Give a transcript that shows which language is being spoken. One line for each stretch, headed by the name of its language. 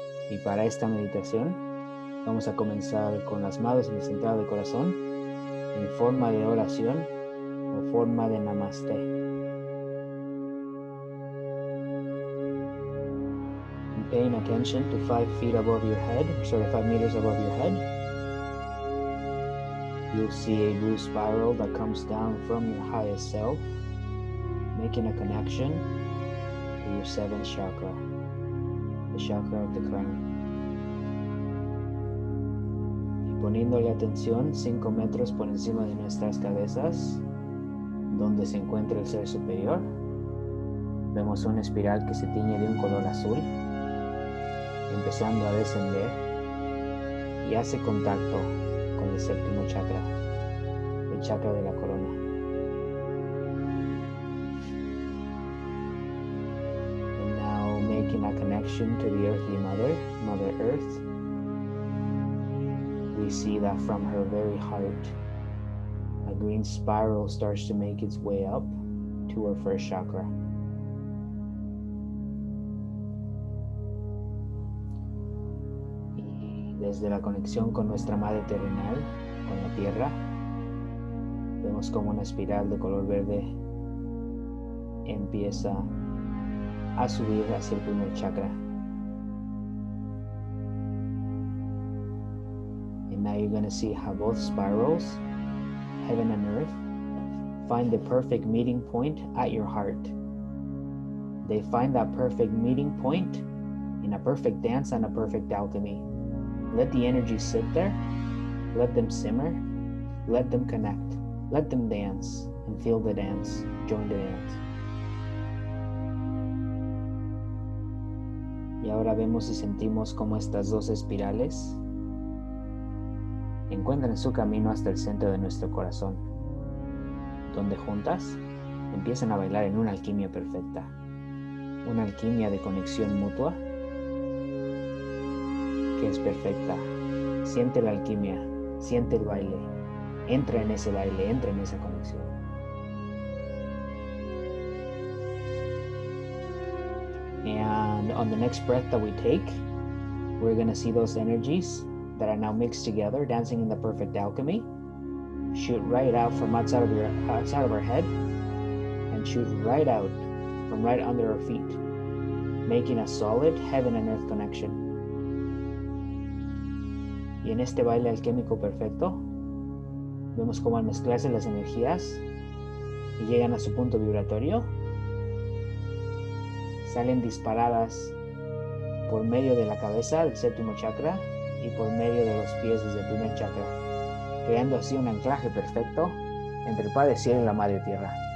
Spanish: Y para esta meditación, vamos a comenzar con las manos en el centro del corazón, en forma de oración o forma de namaste.
English: Paying attention to 5 feet above your head, sorry, 5 meters above your head. You'll see a blue spiral that comes down from your highest self, making a connection to your seventh chakra, the chakra of the crown.
Spanish: Y poniéndole atención 5 metros por encima de nuestras cabezas, donde se encuentra el ser superior, vemos una espiral que se tiñe de un color azul, empezando a descender y hace contacto con el séptimo chakra, el chakra de la corona.
English: And now making a connection to the earthly mother, Mother Earth, we see that from her very heart, a green spiral starts to make its way up to her first chakra.
Spanish: Desde la conexión con nuestra madre terrenal, con la tierra, vemos como una espiral de color verde empieza a subir hacia el primer chakra.
English: And now you're going to see how both spirals, heaven and earth, find the perfect meeting point at your heart. They find that perfect meeting point in a perfect dance and a perfect alchemy. Let the energy sit there, let them simmer, let them connect, let them dance, and feel the dance, join the dance.
Spanish: Y ahora vemos y sentimos cómo estas dos espirales encuentran su camino hasta el centro de nuestro corazón, donde juntas empiezan a bailar en una alquimia perfecta, una alquimia de conexión mutua, es perfecta. Siente la alquimia, siente el baile, entra en ese baile, entra en esa conexión.
English: And on the next breath that we take, we're gonna see those energies that are now mixed together, dancing in the perfect alchemy, shoot right out from outside of our head, and shoot right out from right under our feet, making a solid heaven and earth connection.
Spanish: Y en este baile alquímico perfecto, vemos cómo al mezclarse las energías y llegan a su punto vibratorio, salen disparadas por medio de la cabeza del séptimo chakra y por medio de los pies desde el primer chakra, creando así un anclaje perfecto entre el Padre Cielo y la Madre Tierra.